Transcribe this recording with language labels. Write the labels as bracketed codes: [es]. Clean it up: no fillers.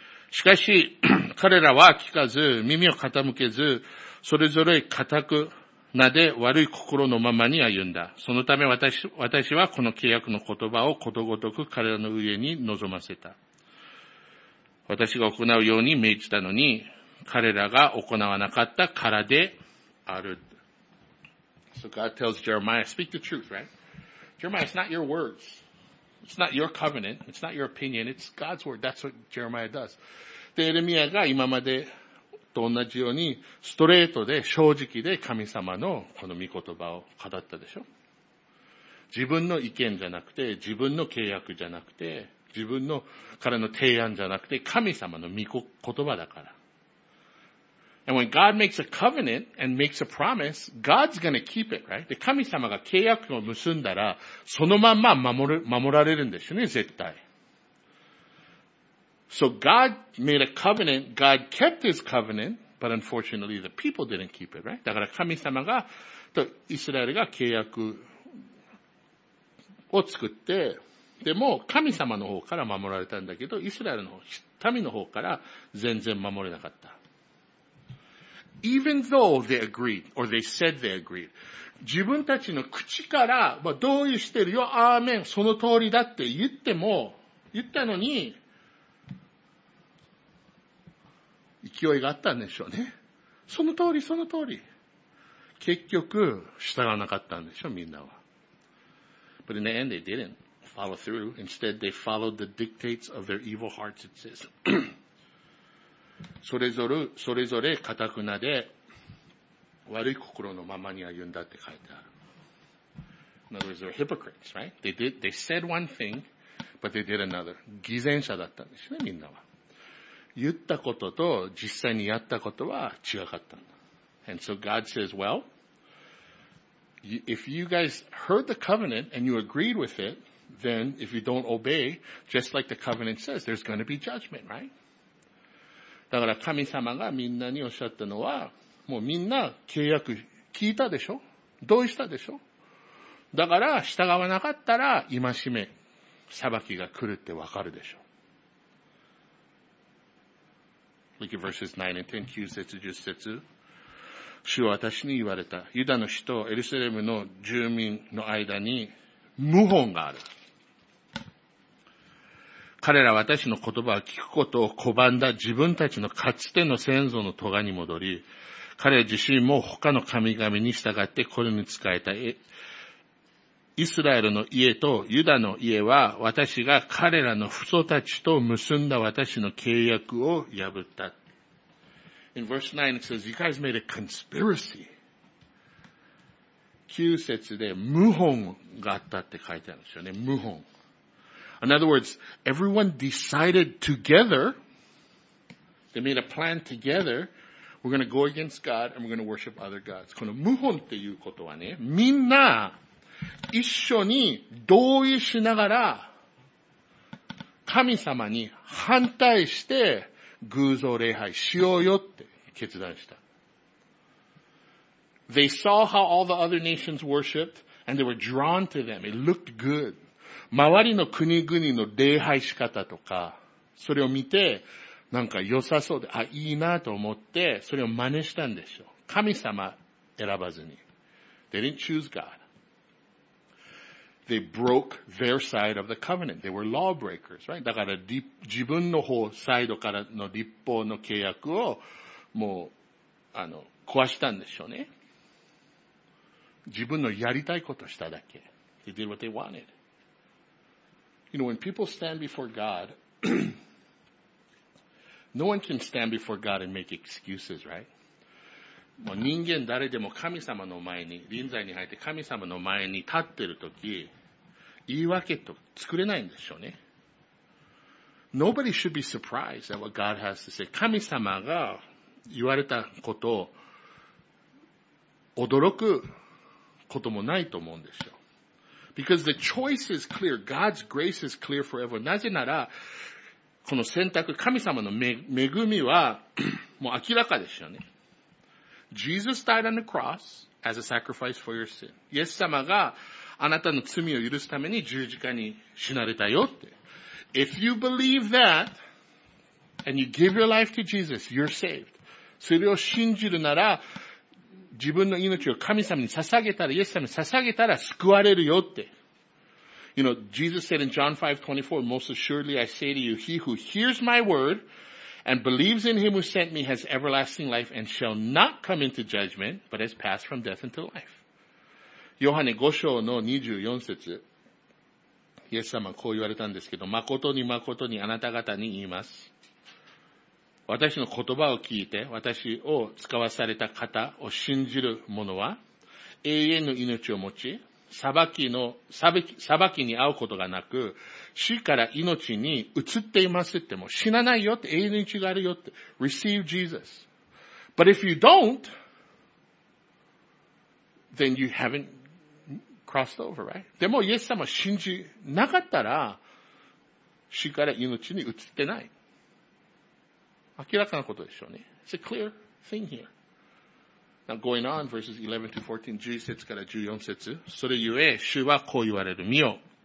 [ja] しかし、彼らは聞かず、耳を傾けず、それぞれ固く、なで悪い心のままに歩んだ。そのため私はこの契約の言葉をことごとく彼らの上に望ませた。私が行うように命じたのに、彼らが行わなかったからである。 [en] So God tells Jeremiah, speak the truth, right? Jeremiah, it's not your words. It's not your covenant. It's not your opinion. It's God's word. That's what Jeremiah does. [ja] で、エレミアが今まで同じようにストレートで正直で神様のこの御言葉を語ったでしょ。自分の意見じゃなくて、自分の契約じゃなくて、自分の彼の提案じゃなくて、神様の御言葉だから。 [en] And when God makes a covenant and makes a promise, God's gonna keep it, right? [ja] で、神様が契約を結んだら、そのまんま守られるんですよね、絶対。 [en] So God made a covenant, God kept his covenant, but unfortunately the people didn't keep it, right? [ja] だから神様がとイスラエルが契約を作って、でも神様の方から守られたんだけど、イスラエルの民の方から全然守れなかった。 [en] Even though they agreed, or they said they agreed. [ja] 自分たちの口から、まあ、同意してるよ、アーメン、その通りだって言っても、言ったのに、勢いがあったんでしょうね。その通り、その通り。結局、従わなかったんでしょう、みんなは。 [en] But in the end, they didn't follow through. Instead, they followed the dictates of their evil hearts, it says. [ja] それぞれ固くなで悪い心のままに歩んだって書いてある。 [en] In other words, they're hypocrites, right? They said one thing, but they did another. [ja] 偽善者だったんですね、みんなは。言ったことと実際にやったことは違かったんだ。 [en] And so God says, well, if you guys heard the covenant and you agreed with it, then if you don't obey, just like the covenant says, there's going to be judgment, right? [ja] だから神様がみんなにおっしゃったのは、もうみんな契約聞いたでしょ?同意したでしょ? だから従わなかったら今しめ、裁きが来るってわかるでしょ。 [en] Look at verses 9 and 10, [ja] 9節10節。主は私に言われた。ユダの人、エルサレムの住民の間に謀反がある。彼らは私の言葉を聞くことを拒んだ自分たちのかつての先祖の戸賀に戻り、彼自身も他の神々に従ってこれに仕えた。イスラエルの家とユダの家は私が彼らの父祖たちと結んだ私の契約を破った。 [en] In verse 9 it says, you guys made a conspiracy. [ja] 9節で謀反があったって書いてあるんですよね。謀反。 [en] In other words, everyone decided together, they made a plan together, we're going to go against God and we're going to worship other gods. [ja] この謀反っていうことはね、みんな一緒に同意しながら神様に反対して偶像礼拝しようよって決断した。 [en] They saw how all the other nations worshipped and they were drawn to them. It looked good. [ja] 周りの国々の礼拝仕方とか、それを見て、なんか良さそうで、あ、いいなと思って、それを真似したんでしょう。神様選ばずに。 [en] They didn't choose God. They broke their side of the covenant. They were lawbreakers, right? [ja] だから、自分の方、サイドからの立法の契約を、もう、壊したんでしょうね。自分のやりたいことしただけ。 [en] They did what they wanted. You know, when people stand before God, no one can stand before God and make excuses, right? [ja] もう人間誰でも神様の前に、臨在に入って神様の前に立ってるとき、言い訳と作れないんでしょうね。 [en] Nobody should be surprised at what God has to say. [ja] 神様が言われたことを驚くこともないと思うんでしょう。 [en] Because the choice is clear. God's grace is clear forever. [ja] なぜなら、この選択、神様の恵みは、もう明らかですよね。 [en] Jesus died on the cross as a sacrifice for your sin. [ja] イエス様があなたの罪を許すために十字架に死なれたよって。 [en] If you believe that, and you give your life to Jesus, you're saved. [ja] それを信じるなら、自分の命を神様に捧げたら、イエス様に捧げたら救われるよって。 [en] You know, Jesus said in John 5:24, most assuredly I say to you, he who hears my word and believes in him who sent me has everlasting life and shall not come into judgment, but has passed from death into life. [ja] ヨハネ5章の24節、イエス様はこう言われたんですけど、誠に誠にあなた方に言います。私の言葉を聞いて、私を使わされた方を信じる者は、永遠の命を持ち、裁きに遭うことがなく、死から命に移っていますって、もう死なないよって、永遠の命があるよって、 [en] receive Jesus. But if you don't, then you haven't crossed over, right? [ja] でも、イエス様信じなかったら、死から命に移ってない。明らかなことでしょうね。 [en] It's a clear thing here. Now going on, verses 11 to 14, [ja] 11節から14節。それゆえ、主はこう言われる。見よ。